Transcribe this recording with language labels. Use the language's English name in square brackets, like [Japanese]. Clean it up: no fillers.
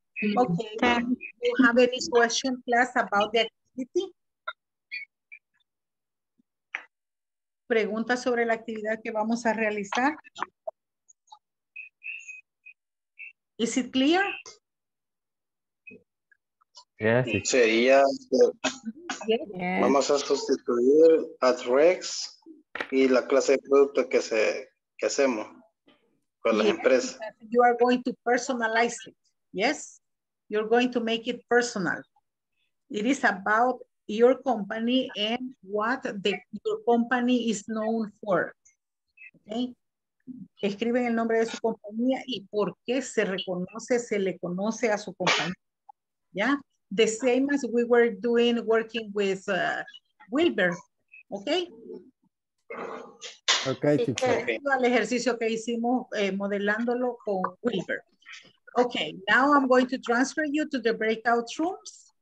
[English] Do you have any question, class, about the activity? [Spanish] Pregunta sobre la actividad que vamos a realizar. [English] Is it clear? Yes. [Spanish] Sería. [English] Yes. [Spanish] Vamos a sustituir at Rex y la clase de producto que hacemos con yes. Las empresas. [English] You are going to personalize it. Yes. You're going to make it personal. It is about your company and what your company is known for. Okay. [Spanish] Escriben el nombre de su compañía y por qué se reconoce, se le conoce a su compañía. [English] Yeah? The same as we were doing working with Wilbur. Okay? Okay, teacher. [Spanish] Okay. El ejercicio que hicimos modelándolo con Wilbur. [English] Okay, now I'm going to transfer you to the breakout rooms.